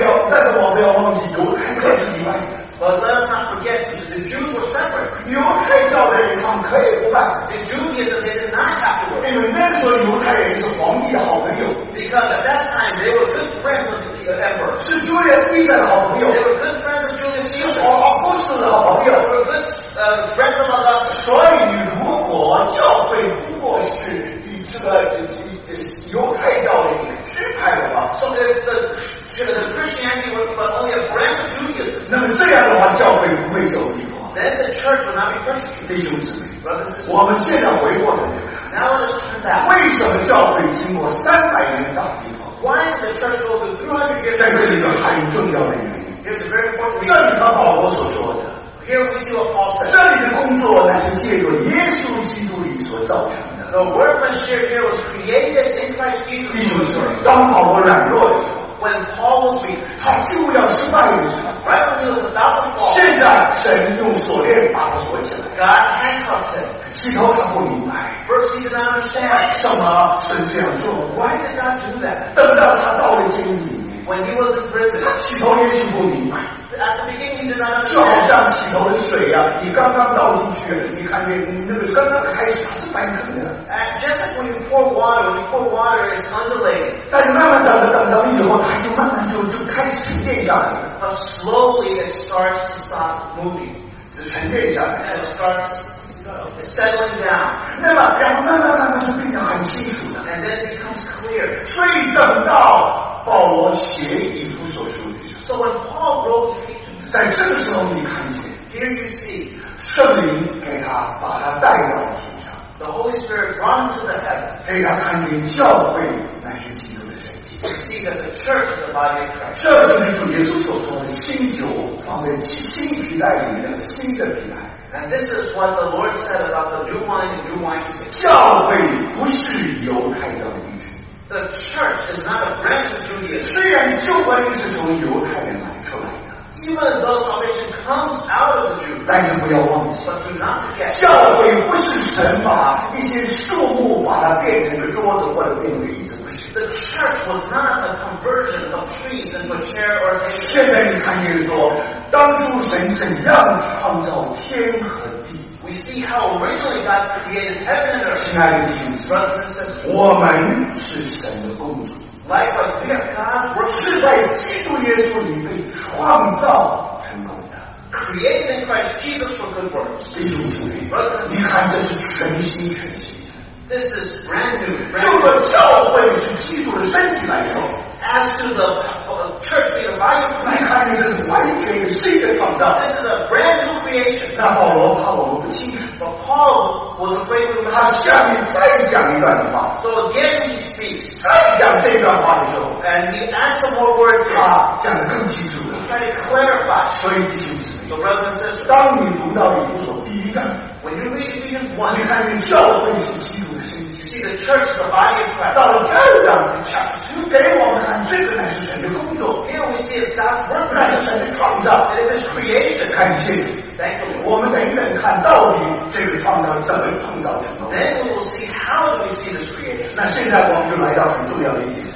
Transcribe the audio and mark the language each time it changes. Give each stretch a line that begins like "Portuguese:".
Chinese: 但是我们不要忘记犹太教是例外。
English: But let us not forget the Jews were separate.
Chinese: 犹太教的人他们可以不拜。
English: The Judaism they did not have to worship.
Chinese: 因为那个时候犹太人是皇帝的好朋友。
English: Because at that time they were good friends of the emperor.
Chinese: 是 Julius Caesar 的好朋友。
English: They were good friends of Julius Caesar.
Chinese: 是 Augustus 的好朋友。
English: They were good friends of Augustus.
Chinese: 所以我教会不过是以这个犹太教的一个支派的话
English: ，so if the Christianity was but only a branch of Judaism，
Chinese: 那么这样的话教会不会受逼迫
English: ，then the church will not be persecuted。
Chinese: 弟兄姊妹
English: ，brothers，
Chinese: 我们现在回过来
English: ，now let's turn back。
Chinese: 为什么教会经过300年大逼迫
English: ？Why the church over 300 years？
Chinese: 在这里有很重要的原因
English: ，it's very important。
Chinese: 这里和保罗所说的。
English: Here we see what Paul says.
Chinese: 这里的工作乃是借由耶稣基督里所造成的。
English: The workmanship here was created in Christ Jesus.
Chinese: 弟兄们，当保罗软弱的时候
English: ，When Paul was weak，
Chinese: 他就要失败的时候
English: ，Right when he was about to fall，
Chinese: 现在神用锁链把他锁起来。
English: God handcuffed him.
Chinese: 起头他不明白
English: ，First he did not understand.
Chinese: 为什么神这样做
English: ？Why did God do that？
Chinese: 等到他到了监狱里面
English: ，When he was in prison，
Chinese: 起头也许不明白。
English: At the beginning, he did
Chinese: 啊，就好像起头的水啊，你刚刚倒进去，你看见你那个刚刚开始是翻腾的。
English: Just when you pour water, you pour water, it's undulating.
Chinese: 但你慢慢等以后，它就慢慢就开始沉淀下来了。
English: But slowly it starts to stop moving.
Chinese: 就沉淀下来。
English: And it starts settling down.
Chinese: 那么，然后慢慢就变得很清楚了。
English: And then it becomes clear.
Chinese: 所以等到保罗写以弗所书的时候。
English: So when Paul wrote Ephesians,
Chinese: 在这个时候你看见。
English: Here you see.
Chinese: 圣灵给他把他带到了天上。
English: The Holy Spirit brought him to the heaven.
Chinese: 给他看见教会乃是基督的身体。
English: You see that the church is the body of Christ.
Chinese: 这就是主耶稣所说的新酒放在新皮带里面的新的皮带。
English: And this is what the Lord said about the new wine and new wineskins.
Chinese: 教会不是犹太的邻居。
English: The church is not a branch of Judaism.
Chinese: 虽然旧观音是从犹太人来出来的。
English: Even though salvation comes out of the Jew.
Chinese: 但是不要忘记。
English: But do not forget.
Chinese: 教会不是神把一些树木把它变成个桌子或者变成个椅子，不是。
English: The church was not a conversion of trees into a chair or a table.
Chinese: 现在你看见说当初神怎样创造天和地。
English: We see how originally God created heaven and earth.
Chinese: 亲爱的弟兄姊妹，我们是神的工作。
English: Likewise, we are God's work.
Chinese: 是在基督耶稣里被创造成功的。
English: Created in Christ Jesus for good works.
Chinese: 弟兄姊妹，你看这是全新全新的。
English: This is brand new.
Chinese: 就个教会是基督的身体来说。
English: As to the church being a body of Christ,
Chinese: 你看见这是完全的新的创造。
English: This is a brand new creation.
Chinese: 那保罗怕我们不清楚。
English: But Paul was afraid of that.
Chinese: 他下面再讲一段的话。
English: So again he speaks.
Chinese: 再讲这段话的时候。
English: And he adds some more words.
Chinese: 他讲得更清楚了。
English: He tried to clarify.
Chinese: 所以弟兄姊妹。
English: So brothers and sisters.
Chinese: 当你读到以弗所第一章。
English: When you read Ephesians 1.
Chinese: 你看见教会是基督的身体。
English: You see the church is the body of Christ.
Chinese: 到了第二章的
English: chapter 2.
Chinese: 给我们看，这个乃是神的工作。
English: Here we see it's God's work.
Chinese: 乃是神的创造。
English: It is creation.
Chinese: 感谢主。
English: Thank you.
Chinese: 我们等一等看到底这个创造怎么创造成功。
English: Then we will see how do we see this creation.
Chinese: 那现在我们就来到很重要的一节。